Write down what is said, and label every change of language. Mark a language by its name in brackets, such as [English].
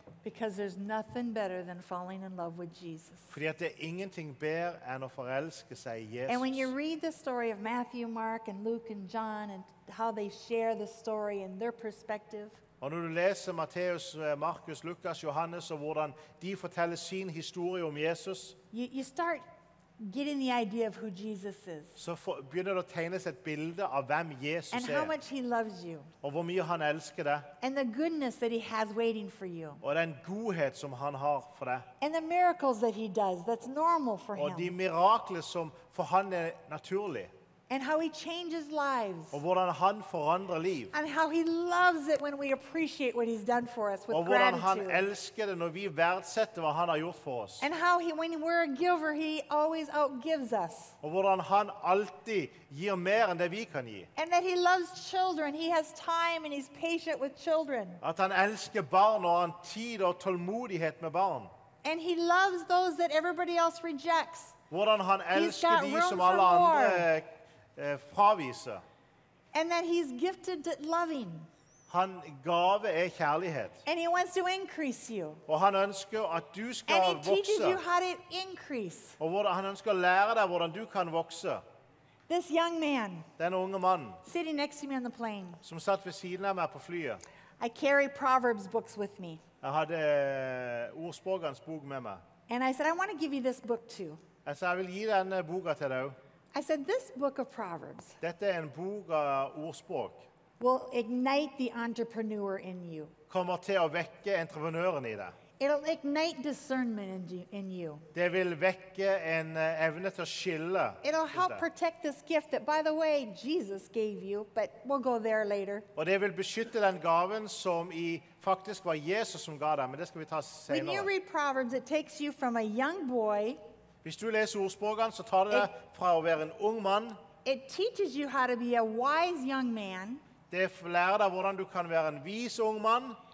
[English] Because there's nothing better than falling in love with Jesus. [Norwegian] Fordi at det ingenting bedre enn å forelske seg I Jesus. [English] And when you read the story of Matthew, Mark, and Luke, and John, and how they share the story and their perspective. [Norwegian] Og når du leser Matteus, Markus, Lukas, Johannes, og hvordan de forteller sin historie om Jesus. [English] You start getting the idea of who Jesus is. [Norwegian] Så begynner du å tegne et bilde av hvem Jesus [English] er. And how much he loves you. [Norwegian] Og hvor mye han elsker deg. [English] And the goodness that he has waiting for you. [Norwegian] Og den godhet som han har for deg. [English] And the miracles that he does, that's normal for him. [Norwegian] Og de mirakler som for han naturlig. [English] And how he changes lives. [Norwegian] Og hvordan han forandrer liv. [English] And how he loves it when we appreciate what he's done for us with gratitude. [Norwegian] Og hvordan han elsker det når vi verdsetter hva han har gjort for oss. [English] And how he, when we're a giver, he always outgives us. [Norwegian] Og hvordan han alltid gir mer enn det vi kan gi. [English] And that he loves children. He has time and he's patient with children. [Norwegian] At han elsker barn og han tid og tålmodighet med barn. [English] And he loves those that everybody else rejects. [Norwegian] Hvordan han elsker de som alle andre fraviser. [English] And that he's gifted at loving. [Norwegian] Han gave kjærlighet. [English] And he wants to increase you. [Norwegian] Og han ønsker at du skal vokse. [English] And he teaches you how to increase. [Norwegian] Og hvordan han ønsker å lære deg hvordan du kan vokse. [English] This young man. [Norwegian] Den unge mannen. [English] Sitting next to me on the plane. [Norwegian] Som satt ved siden av meg på flyet. [English] I carry Proverbs books with me. [Norwegian] Jeg hadde ordspråkens bok med meg. [English] And I said, I want to give you this book too. [Norwegian] Jeg sa, jeg vil gi denne boka til deg. [English] I said, this book of Proverbs [Norwegian] Dette en bok av ordspråk [English] will ignite the entrepreneur in you. [Norwegian] Kommer til å vekke entreprenøren I deg. [English] It'll ignite discernment in you. [Norwegian] Det vil vekke en evne til å skille. [English] It'll help protect this gift that, by the way, Jesus gave you, but we'll go there later. [Norwegian] Og det vil beskytte den gaven som I faktisk var Jesus som ga deg, men det skal vi ta senere. [English] When you read Proverbs, it takes you from a young boy. [Norwegian] Hvis du leser ordspråkene, så tar det deg fra å være en ung mann. [English] It teaches you how to be a wise young man. [Norwegian] Det lærer deg hvordan du kan være en vis ung mann.